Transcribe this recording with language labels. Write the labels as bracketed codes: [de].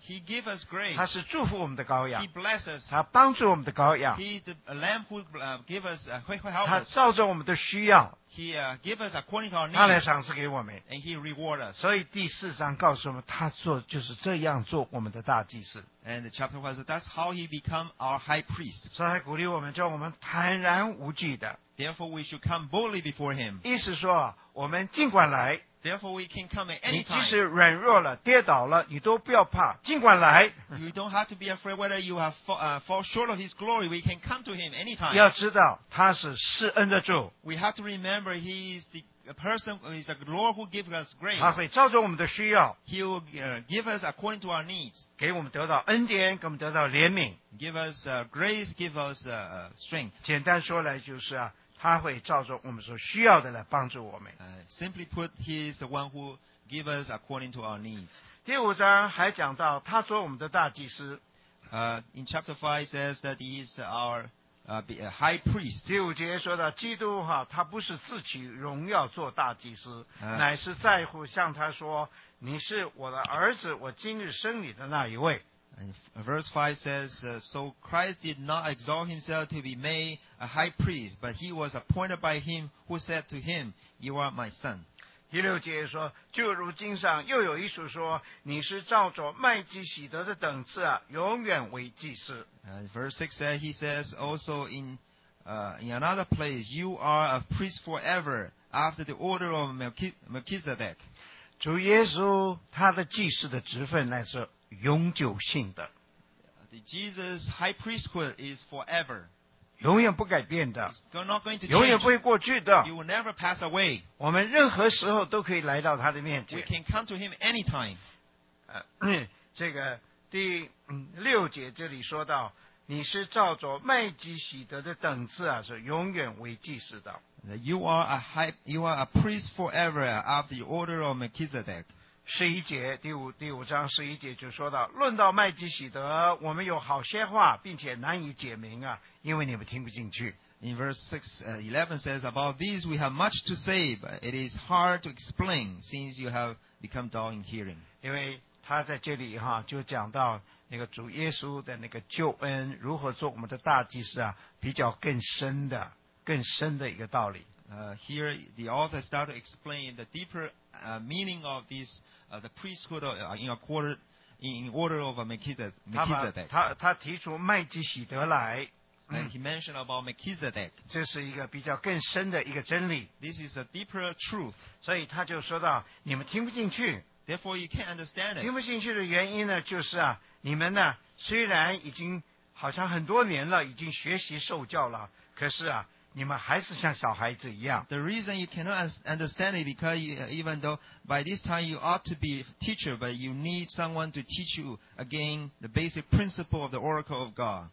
[en] He give us grace. [zh] 他是祝福我们的羔羊。 [en] He bless us. [zh] 他帮助我们的羔羊。 [en] He is the Lamb who give us help. [zh] 他照着我们的需要。 [en] He give us according to our need. [zh] 他来赏赐给我们。 [en] And he reward us. [zh] 所以第四章告诉我们，他做就是这样做我们的大祭司。 [en] And chapter 1 says that's how he become our high priest. [zh] 所以他鼓励我们，叫我们坦然无惧的。 [en] Therefore we should come boldly before him. [zh] 意思说，我们尽管来。 [en] Therefore we can come at any time. [zh] 你即使软弱了、跌倒了，你都不要怕，尽管来。 [en] You don't have to be afraid whether you have fall short of his glory. We can come to him anytime. [zh] 要知道他是施恩的主。 [en] We have to remember he is the person, he is the Lord who gives us grace. [zh] 他会照着我们的需要。 [en] He will give us according to our needs. [zh] 给我们得到恩典，给我们得到怜悯。 [en] Give us grace, give us strength. [zh] 简单说来就是啊。他会照着我们所需要的来帮助我们。 [en] Simply put, he is the one who gives us according to our needs. [zh] 第五章还讲到他做我们的大祭司。 [en] In chapter 5 says that he is our high priest. [zh] 第五节说到基督哈，他不是自取荣耀做大祭司，乃是在乎向他说，你是我的儿子，我今日生你的那一位。 [en] And verse 5 says, So Christ did not exalt himself to be made a high priest, but he was appointed by him who said to him, You are my son. [zh] 第六节说，就如经上又有一处说，你是照着麦基洗德的等次啊，永远为祭司。 [en] Verse 6 says, He says also in another place, You are a priest forever after the order of Melchizedek. [zh] 主耶稣他的祭司的职分乃是永久性的。 [en] The Jesus high priesthood is forever. [zh] 永远不改变的。 [en] It's not going to change. [zh] 永远不会过去的。 [en] You will never pass away. [zh] 我们任何时候都可以来到他的面前。 [en] We can come to him anytime. [zh] 这个第六节这里说到，你是照着麦基洗德的等次啊，是永远为祭司的。 [en] You are a priest forever after the order of Melchizedek. [zh] 十一节第五章十一节就说到，论到麦基洗德，我们有好些话，并且难以解明啊，因为你们听不进去。 [en] In verse 11 says about these we have much to say, but it is hard to explain since you have become dull in hearing. [zh] 因为他在这里哈就讲到那个主耶稣的那个救恩如何做我们的大祭司啊，比较更深的一个道理。 [en] Here the author started to explain the deeper meaning of this the priesthood in order of Melchizedek. [zh] 他提出麦基洗德来。 [en] He mentioned about Melchizedek. [zh] 这是一个比较更深的一个真理。 [en] This is a deeper truth. [zh] 所以他就说到，你们听不进去。 [en] Therefore, you can't understand it. [zh] 听不进去的原因呢，就是啊，你们呢虽然已经好像很多年了，已经学习受教了，可是啊，你们还是像小孩子一样。 [en] The reason you cannot understand it because you, even though by this time you ought to be teacher, but you need someone to teach you again the basic principle of the oracle of God.